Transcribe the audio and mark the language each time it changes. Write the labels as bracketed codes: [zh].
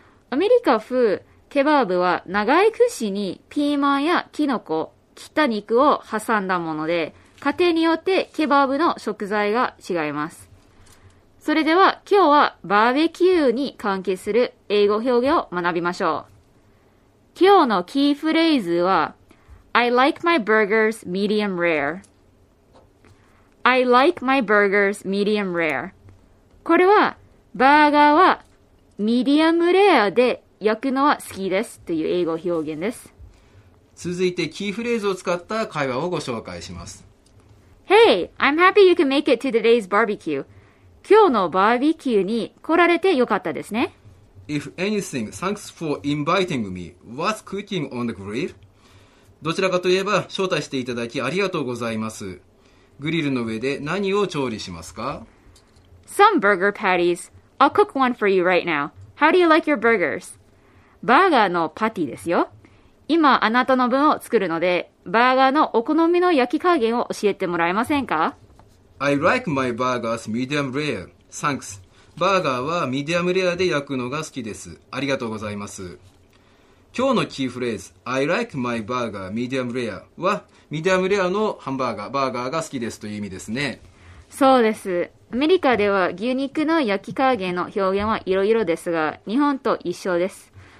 [ja] アメリカ風ケバブは長い串にピーマンやキノコ、切った肉を挟んだもので、家庭によってケバブの食材が違います。それでは今日はバーベキューに関係する英語表現を学びましょう。今日のキーフレーズは、 [en] I like my burgers medium rare. I like my burgers medium rare. [ja] これはバーガーはミディアムレアで焼くのは好きですという英語表現です。続いてキーフレーズを使った会話をご紹介します。 [en] Hey, I'm happy you can make it to today's barbecue. [ja] 今日のバーベキューに来られてよかったですね。 [en] If anything, thanks for inviting me. What's cooking on the grill? [ja] どちらかといえば招待していただきありがとうございます。グリルの上で何を調理しますか？ [en] Some burger patties. I'll cook one for you right now. How do you like your burgers? [ja] バーガーのパティですよ。今あなたの分を作るので、バーガーのお好みの焼き加減を教えてもらえませんか？ [en] I like my burgers medium rare. Thanks. [ja] バーガーはミディアムレアで焼くのが好きです。ありがとうございます。今日のキーフレーズ、 [en] I like my burger medium rare [ja] は、ミディアムレアのハンバーガー、バーガーが好きですという意味ですね。そうです。アメリカでは牛肉の焼き加減の表現はいろいろですが、日本と一緒です。